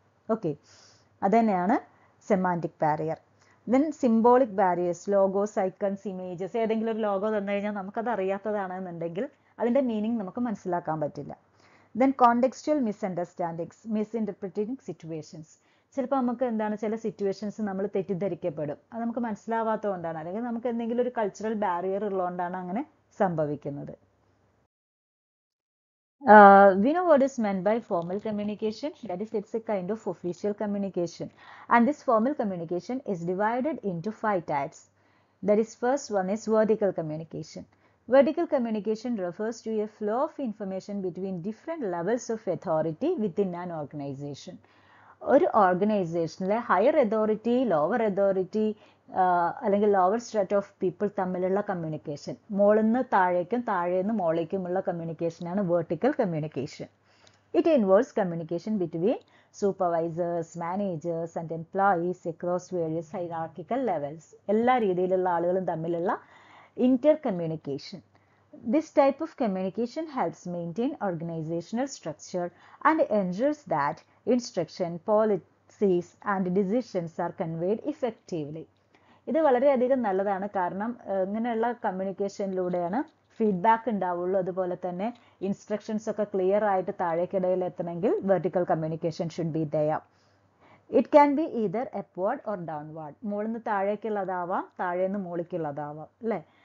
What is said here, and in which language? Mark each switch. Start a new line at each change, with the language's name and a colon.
Malayalam: Okay, അതുതന്നെയാണ് semantic barrier. Then symbolic barriers, logo, സൈക്കൺസ്, images, ഏതെങ്കിലും ഒരു ലോഗോ തന്നു കഴിഞ്ഞാൽ നമുക്കത് അറിയാത്തതാണെന്നുണ്ടെങ്കിൽ അതിൻ്റെ മീനിങ് നമുക്ക് മനസ്സിലാക്കാൻ പറ്റില്ല. Then
English: contextual misunderstandings, misinterpreting situations,
Malayalam: ചിലപ്പോൾ നമുക്ക് എന്താണ് ചില സിറ്റുവേഷൻസ് നമ്മൾ തെറ്റിദ്ധരിക്കപ്പെടും, അത് നമുക്ക് മനസ്സിലാവാത്തത് കൊണ്ടാണ്, അല്ലെങ്കിൽ നമുക്ക് എന്തെങ്കിലും ഒരു കൾച്ചറൽ ബാരിയർ ഉള്ളതുകൊണ്ടാണ് അങ്ങനെ സംഭവിക്കുന്നത്.
English: We know what is meant by formal communication, that is, it's a kind of official communication, and this formal communication is divided into five types. That is, first one is vertical communication. Vertical communication refers to a flow of information between different levels of authority within an organization.
Malayalam: ഒരു ഓർഗനൈസേഷനിലെ higher authority, lower authority, അല്ലെങ്കിൽ lower strata of people തമ്മിലുള്ള communication, മുകളിന്ന് താഴേക്കും താഴേന്ന് മുകളിലേക്കുമുള്ള കമ്മ്യൂണിക്കേഷനാണ് vertical communication.
English: it involves communication between supervisors, managers and employees, across various hierarchical levels,
Malayalam: എല്ലാ രീതിയിലുള്ള ആളുകളും തമ്മിലുള്ള Inter communication.
English: This type of communication helps maintain organizational structure and ensures that instruction, policies and decisions are conveyed effectively.
Malayalam: ഇത് വളരെയധികം നല്ലതാണ്, കാരണം ഇങ്ങനെയുള്ള കമ്മ്യൂണിക്കേഷനിലൂടെയാണ് feedback ഉണ്ടാവുള്ളൂ, അതുപോലെ തന്നെ ഇൻസ്ട്രക്ഷൻസ് ഒക്കെ ക്ലിയർ ആയിട്ട് താഴേക്കിടയിൽ എത്തണമെങ്കിൽ
English: Vertical communication should be there. It can be either upward or downward,
Malayalam: മുകളിൽ നിന്ന് താഴേക്കുള്ളതാവാം, താഴേന്ന് മുകളിലേക്കുള്ളതാവാം അല്ലേ.